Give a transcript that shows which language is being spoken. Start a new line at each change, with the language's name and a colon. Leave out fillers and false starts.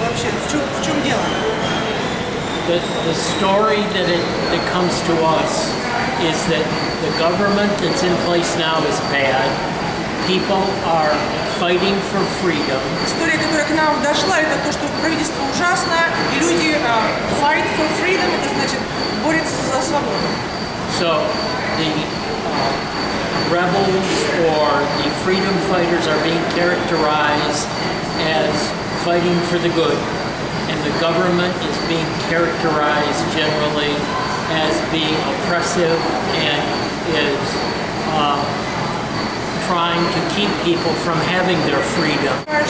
English: The story that that comes to us is that the government that's in place now is bad. People are fighting for freedom.
Russian: История, которая к нам дошла, это то, что правительство ужасно, и люди
English: fight for freedom,
Russian: это значит борются за свободу.
English: So the rebels or the freedom fighters are being characterized as fighting for the good, and the government is being characterized generally as being oppressive and is trying to keep people from having their freedom.